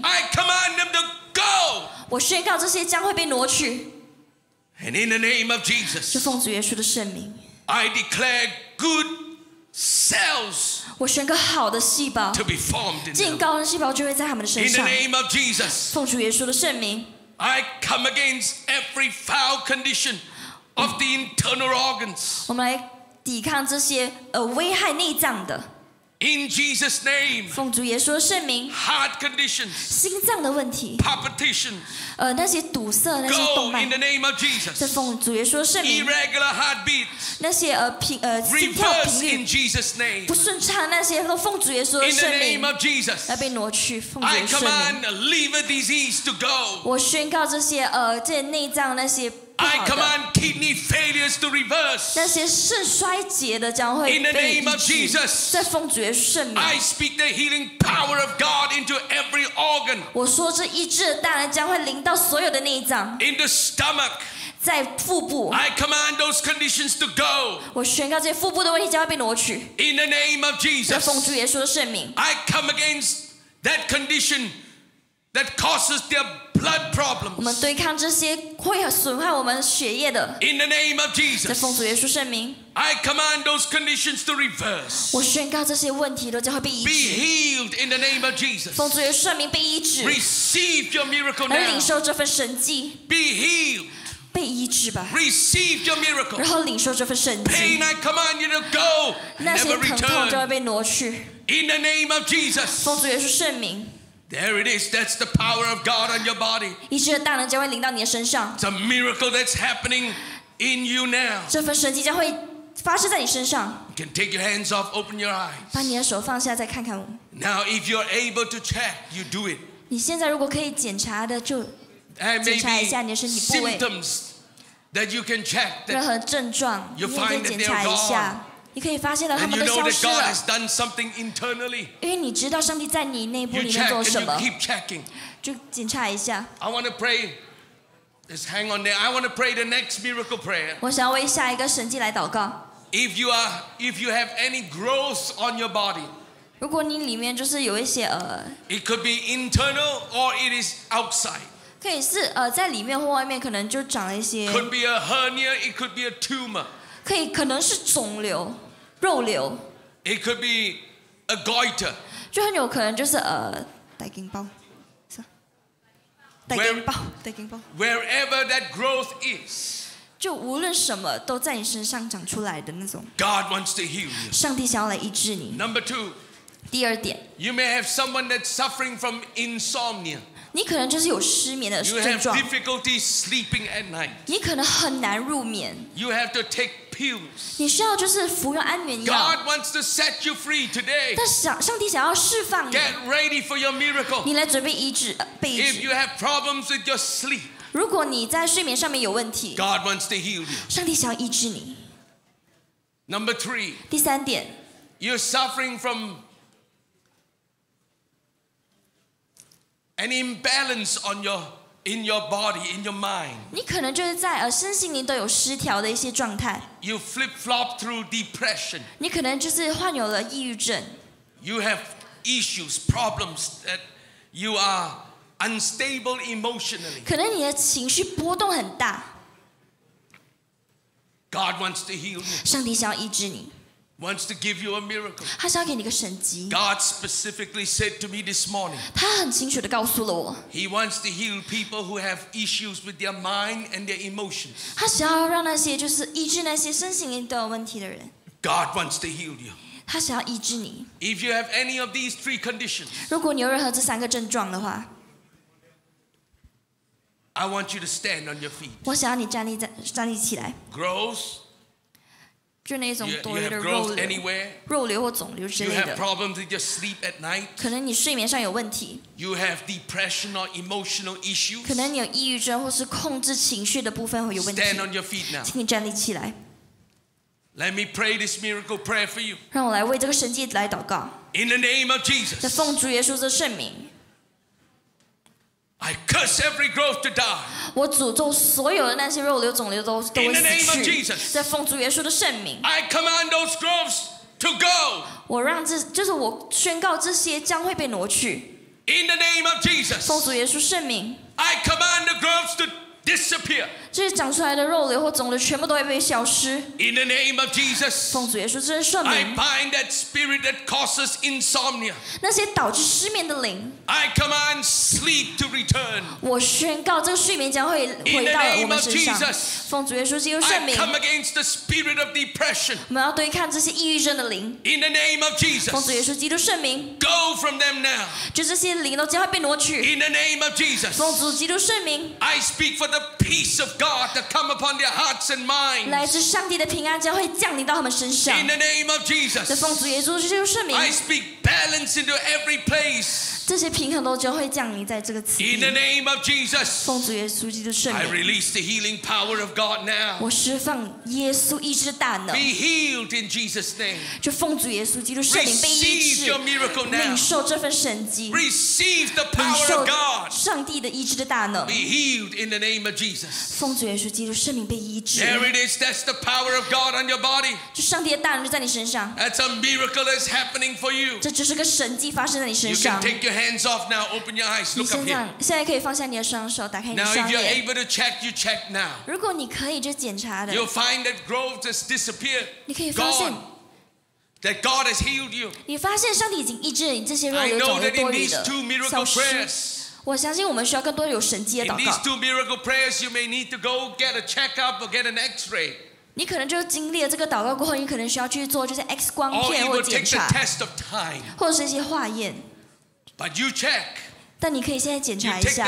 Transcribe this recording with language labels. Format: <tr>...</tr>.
<en>I command them to go。</en> <zh>我宣告这些将会被挪去。</zh> <en>And in the name of Jesus,</en> <zh>就奉主耶稣的圣名</zh> <en>，I declare good cells，</en> <zh>我宣告好的细胞</zh> <en>，to be formed，</en> <zh>进高恩细胞就会在他们的身上。</zh> <en>In the name of Jesus，</en> <zh>奉主耶稣的圣名</zh> <en>，I come against every foul condition of the internal organs，</en> <zh>我们来抵抗这些危害内脏的。</zh> <en>In Jesus' name，</en> <zh>奉主耶稣的圣名</zh> <en>，heart conditions，</en> <zh>心脏的问题</zh> <en>，palpitations，</en> <zh>那些堵塞那些动脉</zh> <en>，go in the name of Jesus，</en> <zh>在奉主耶稣的圣名</zh> <en>，irregular heartbeats，</en> <zh>那些心跳频率</zh> <en>，in Jesus' name，</en> <zh>不顺畅那些都奉主耶稣的圣名</zh> <en>，in the name of Jesus，</en> <zh>来被挪去，奉主耶稣的圣名</zh> <en>，I command liver disease to go，</en> <zh>我宣告这些这些内脏那些。</zh> <en>I command kidney failures to reverse.</en> <zh>那些肾衰竭的将会被医治。</zh> <en>In the name of Jesus,</en> <zh>在奉主耶稣圣名。</zh> <en>I speak the healing power of God into every organ.</en> <zh>我说这医治的大能将会临到所有的内脏。</zh> <en>In the stomach,</en> <zh>在腹部。</zh> <en>I command those conditions to go.</en> <zh>我宣告这些腹部的问题将会被挪去。</zh> <en>In the name of Jesus,</en> <zh>在奉主耶稣的圣名。</zh> <en>I come against that condition that causes their blood problems.</en> <zh>我们对抗这些会损害我们血液的。</zh> <en>In the name of Jesus.</en> <zh>在奉主耶稣圣名。</zh> <en>I command those conditions to reverse.</en> <zh>我宣告这些问题都将会被医治。</zh> <en>Be healed in the name of Jesus.</en> <zh>奉主耶稣圣名被医治。</zh> <en>Receive your miracle now.</en> <zh>来领受这份神迹。</zh> <en>Be healed.</en> <zh>被医治吧。</zh> <en>Receive your miracle.</en> <zh>然后领受这份神迹。</zh> <en>Pain I command you to go.</en> <zh>那些疼痛将会被挪去。</zh> <en>In the name of Jesus.</en> <zh>奉主耶稣圣名。</zh> <en>There it is. That's the power of God on your body.</en> <zh>医治的大能将会临到你的身上。</zh> <en>It's a miracle that's happening in you now.</en> <zh>这份神迹将会发生在你身上。</zh> <en>You can take your hands off. Open your eyes.</en> <zh>把你的手放下，再看看我。</zh> <en>Now, if you're able to check, you do it.</en> <zh>你现在如果可以检查的，就检查一下你的身体部位。</zh> <en>Symptoms that you can check.</en> <zh>任何症状，你也可以检查一下。你可以发现到他们都消失了。</zh> <en>And you know that God has done something internally.</en> <zh>因为你知道上帝在你内部里面做什么。</zh> <en>You keep checking.</en> <zh>就检查一下。</zh> <en>I want to pray. Just hang on there. I want to pray the next miracle prayer.</en> <zh>我想要为下一个神迹来祷告。</zh> <en>If you have any growth on your body.</en> <zh>如果你里面就是有一些</zh> <en>It could be internal or it is outside.</en> <zh>可以是在里面或外面，可能就长一些。</zh> <en>Could be a hernia. It could be a tumor.</en> <zh>可以，可能是肿瘤、肉瘤。</zh> <en>It could be a goiter.</en> <zh>就很有可能就是带茎包，是吧？带茎包，带茎包。</zh> <en>Wherever that growth is.</en> <zh>就无论什么都在你身上长出来的那种。</zh> <en>God wants to heal you.</en> <zh>上帝想要来医治你。</zh> <en>Number two.</en> <zh>第二点。</zh> <en>You may have someone that's suffering from insomnia.</en> <zh>你可能就是有失眠的症状。</zh> <en>You have difficulty sleeping at night.</en> <zh>你可能很难入眠。</zh> <en>You have to take pills.</en> <zh>你需要就是服用安眠药。</zh> <en>God wants to set you free today.</en> <zh>但上帝想要释放你。</zh> <en>Get ready for your miracle.</en> <zh>你来准备医治，被医治。</zh> <en>If you have problems with your sleep.</en> <zh>如果你在睡眠上面有问题。</zh> <en>God wants to heal you.</en> <zh>上帝想要医治你。</zh> <en>Number three.</en> <zh>第三点。</zh> <en>You're suffering from. An imbalance on your in your body in your mind.</en> <zh>你可能就是在身心灵都有失调的一些状态。</zh> <en>You flip flop through depression.</en> <zh>你可能就是患有了抑郁症。</zh> <en>You have issues, problems that you are unstable emotionally.</en> <zh>可能你的情绪波动很大。</zh> <en>God wants to heal you.</en> <zh>上帝想要医治你。</zh> <en>Wants to give you a miracle.</en> <zh>他想要给你个神迹。</zh> <en>God specifically said to me this morning.</en> <zh>他很清楚地告诉了我。</zh> <en>He wants to heal people who have issues with their mind and their emotions.</en> <zh>他想要让那些就是医治那些身心灵都有问题的人。</zh> <en>God wants to heal you.</en> <zh>他想要医治你。</zh> <en>If you have any of these three conditions.</en> <zh>如果你有任何这三个症状的话。</zh> <en>I want you to stand on your feet.</en> <zh>我想要你站立起来。</zh> <en>Growth.</en> <zh>就那种多余的肉瘤或肿瘤之类的。</zh> <en>You have problems with your sleep at night.</en> <zh>可能你睡眠上有问题。</zh> <en>You have depression or emotional issues.</en> <zh>可能你有抑郁症或是控制情绪的部分会有问题。</zh> <en>Stand on your feet now.</en> <zh>请你站立起来。</zh> <en>Let me pray this miracle prayer for you.</en> <zh>让我来为这个神迹来祷告。</zh> <en>In the name of Jesus.</en> <zh>在奉主耶稣的圣名。</zh> <en>I curse every growth to die.</en> <zh>我诅咒所有的那些肉瘤、肿瘤都会死去。</zh> <en>In the name of Jesus.</en> <zh>在奉主耶稣的圣名。</zh> <en>I command those growths to go.</en> <zh>我让这就是我宣告这些将会被挪去。</zh> <en>In the name of Jesus.</en> <zh>奉主耶稣圣名。</zh> <en>I command the growths to disappear.</en> <zh>这些长出来的肉瘤或肿瘤全部都会被消失。</zh> <en>In the name of Jesus，</en> <zh>奉主耶稣之圣名。</zh> <en>I bind that spirit that causes insomnia，</en> <zh>那些导致失眠的灵。</zh> <en>I command sleep to return，</en> <zh>我宣告这个睡眠将会回到我们身上。</zh> <en>In the name of Jesus，</en> <zh>奉主耶稣基督圣名。</zh> <en>I come against the spirit of depression，</en> <zh>我们要对抗这些抑郁症的灵。</zh> <en>In the name of Jesus，</en> <zh>奉主耶稣基督圣名。</zh> <en>Go from them now，</en> <zh>就这些灵都将会被挪去。</zh> <en>In the name of Jesus，</en> <zh>奉主基督圣名。</zh> <en>I speak for the peace of God to come upon their hearts and minds，</en> <zh>来自上帝的平安将会降临到他们身上。</zh> <en>In the name of Jesus，</en> <zh>奉主耶稣基督圣名。</zh> <en>I speak balance into every place，</en> <zh>这些平衡都将会降临在这个此地。</zh> <en>In the name of Jesus，</en> <zh>奉主耶稣基督圣名。</zh> <en>I release the healing power of God now，</en> <zh>我释放耶稣医治的大能。</zh> <en>Be healed in Jesus' name，</en> <zh>就奉主耶稣基督圣名被医治。</zh> <en>Receive your miracle now，</en> <zh>领受这份神迹。</zh> <en>Receive the power of God，</en> <zh>上帝的医治的大能。</zh> <en>Be healed in the name of Jesus，</en> <zh>奉主耶稣基督圣名被医治。</zh> <en>There it is， that's the power of God on your body，</en> <zh>就上帝的大能就在你身上。</zh> <en>That's a miracle that's happening for you，</en> <zh>这就是个神迹发生在你身上。</zh> <en>You can take your hands off now， open your eyes， look up here。</en> <zh>你现在可以放下你的双手，打开你的双眼。</zh> <en>Now if you're able to check， you check now。</en> <zh>如果你可以就检查的。</zh> <en>You'll find that growth has disappeared，</en> <zh>你可以发现。</zh> <en>That God has healed you，</en> <zh>你发现上帝已经医治了你这些肉瘤肿瘤多余的消失。我相信我们需要更多有神迹的祷告。</zh> <en>In these two miracle prayers, you may need to go get a checkup or get an X-ray。</en> <zh>你可能就经历了这个祷告过后，你可能需要去做就是 X 光片或检查。</zh> <en>Or you will take the test of time，</en> <zh>或者是一些化验。</zh> <en>But you check，</en> <zh>但你可以现在检查一下。</zh>